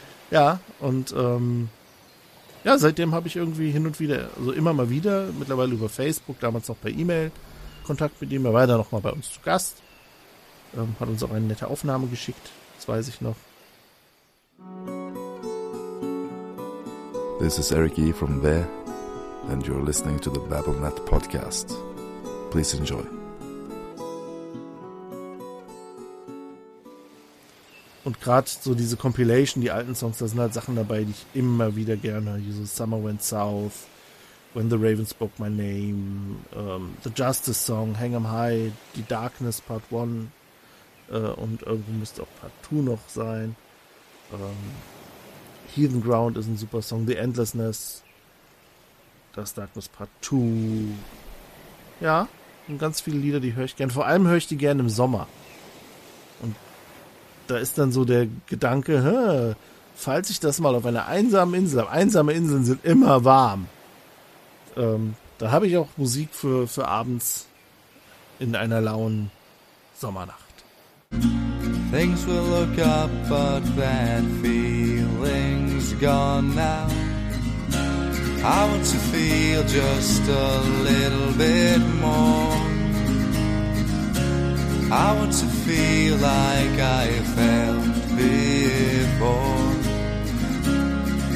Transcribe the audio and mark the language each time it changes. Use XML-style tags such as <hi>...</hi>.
<de>Ja, und ja, seitdem habe ich irgendwie hin und wieder, also immer mal wieder, mittlerweile über Facebook, damals noch per E-Mail, Kontakt mit ihm. Er war dann noch mal bei uns zu Gast. Hat uns auch eine nette Aufnahme geschickt, das weiß ich noch.</de> <en>This is Eric E. from there and you're listening to the BabbleNet podcast. Please enjoy.</en> <de>Und gerade so diese Compilation, die alten Songs, da sind halt Sachen dabei, die ich immer wieder gerne höre. So Summer Went South, When the Raven Spoke My Name, The Justice Song, Hang 'em High, The Darkness Part 1 und irgendwo müsste auch Part 2 noch sein. Heathen Ground ist ein super Song. The Endlessness, Das Darkness Part 2. Ja, und ganz viele Lieder, die höre ich gerne. Vor allem höre ich die gerne im Sommer. Und da ist dann so der Gedanke, falls ich das mal auf einer einsamen Insel habe, einsame Inseln sind immer warm, da habe ich auch Musik für abends in einer lauen Sommernacht.</de> <en>Things will look up, but bad feelings gone now. I want to feel just a little bit more. I want to feel like I felt before.</en>